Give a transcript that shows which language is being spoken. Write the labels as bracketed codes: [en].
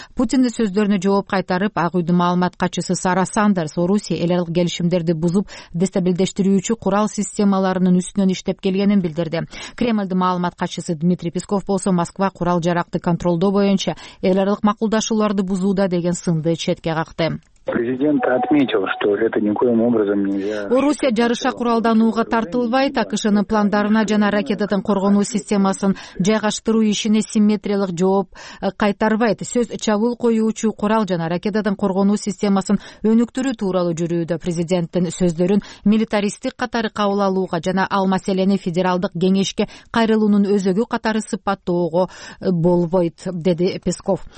[ky] Путиндин сөздөрүнө жооп кайтарып, Ак үйдүн маалымат катчысы Сара Сандерс Орусия эл аралык келишимдерди бузуп, дестабилдештирүүчү курал системаларынын үстүнөн иштеп келгенин билдирди. Кремлдин маалымат катчысы Дмитрий Песков болсо Москва курал жарактык контрол колдоо боюнча эл аралык макулдашууларды бузууда деген сынды четке какты. [ru] Президент отметил, что это никоим образом нельзя. [ky] Орусия жарыша куралданууга тартылбайт, АКШнын пландарына жана ракетадан коргонуу системасын жайгаштыруу ишине симметриялык жооп кайтарбайт. Сөз чабуул коюучу курал жана ракетадан коргонуу системасын өнүктүрүү тууралуу жүрүүдө президенттин сөздөрүн милитаристтик катары кабыл алууга жана ал маселени федералдык кеңешке кайрылуунун өзөгү катары сыпаттоого болбойт, деди Песков.